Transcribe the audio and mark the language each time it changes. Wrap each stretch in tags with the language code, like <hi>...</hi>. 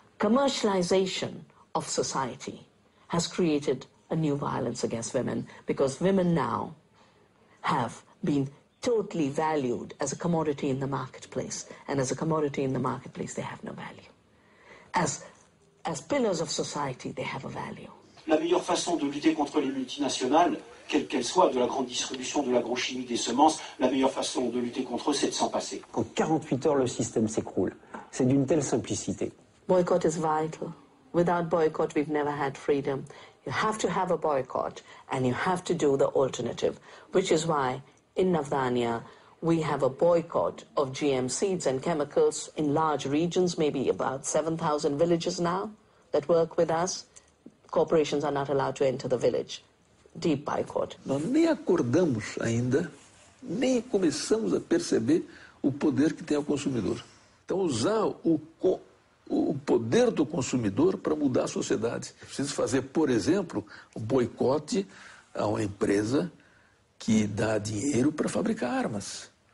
<en>Commercialization of society has created a new violence against women, because women now have been totally valued as a commodity in the marketplace, and as a commodity in the marketplace, they have no value. As pillars of society, they have a value.</en> <fr>La meilleure façon de lutter contre les multinationales, quelle qu'elle soit, de la grande distribution, de l'agrochimie, des semences, la meilleure façon de lutter contre eux, c'est de s'en passer. En 48 heures, le système s'écroule. C'est d'une telle simplicité.</fr> <en>Boycott is vital. Without boycott, we've never had freedom. You have to have a boycott, and you have to do the alternative, which is why in Navdanya, we have a boycott of GM seeds and chemicals in large regions, maybe about 7,000 villages now that work with us. Corporations are not allowed to enter the village. Deep boycott.</en> <pt>Nós nem acordamos ainda, nem começamos a perceber o poder que tem o consumidor. Então, usar o poder do consumidor para mudar a sociedade. Preciso fazer, por exemplo, um boicote a uma empresa que dá dinheiro para fabricar armas.</pt>